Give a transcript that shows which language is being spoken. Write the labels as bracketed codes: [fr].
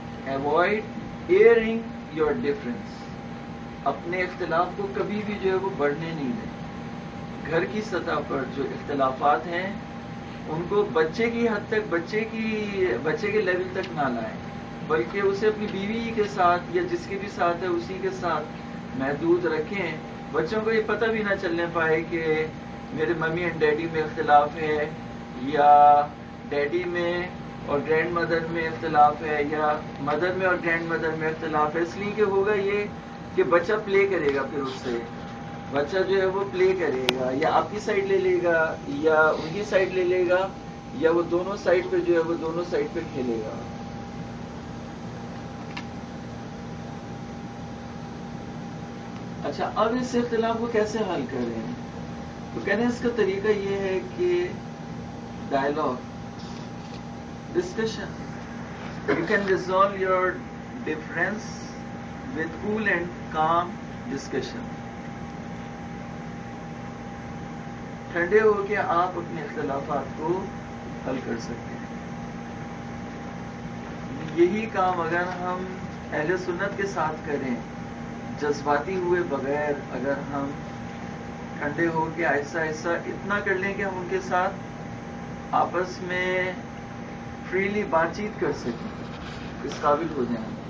[en] Avoid airing your difference. [ur] اپنے اختلاف کو کبھی بھی جو ہے وہ بڑھنے نہیں دیں. گھر کی سطح پر جو اختلافات ہیں ان کو بچے کی حد تک, بچے کے لیول تک نہ لائیں, بلکہ اسے اپنی بیوی کے ساتھ یا جس کے بھی ساتھ ہے اسی کے ساتھ محدود رکھیں. بچوں کو یہ پتہ بھی نہ چلنے پائے کہ میرے ممی اینڈ ڈیڈی میں اختلاف ہے یا ڈیڈی میں اور گرینڈ مدر میں اختلاف ہے یا مدر میں اور گرینڈ مدر میں اختلاف ہے. اس لیے کہ ہوگا یہ کہ بچہ پلے کرے گا, پھر اس سے بچہ جو ہے وہ پلے کرے گا, یا آپ کی سائڈ لے لے گا یا ان کی سائڈ لے لے گا, یا وہ دونوں سائڈ پہ جو ہے وہ دونوں سائڈ پہ کھیلے گا. اچھا اب اس اختلاف کو کیسے حل کریں, تو کہنے اس کا طریقہ یہ ہے کہ dialogue, discussion. [en] You can resolve your difference with cool and calm discussion. [ur] ٹھنڈے ہو کے آپ اپنے اختلافات کو حل کر سکتے ہیں. یہی کام اگر ہم اہل سنت کے ساتھ کریں, جذباتی ہوئے بغیر اگر ہم ٹھنڈے ہو کے ایسا ایسا اتنا کر لیں کہ ہم ان کے ساتھ آپس میں فریلی بات چیت کر سکیں, اس قابل ہو جائیں,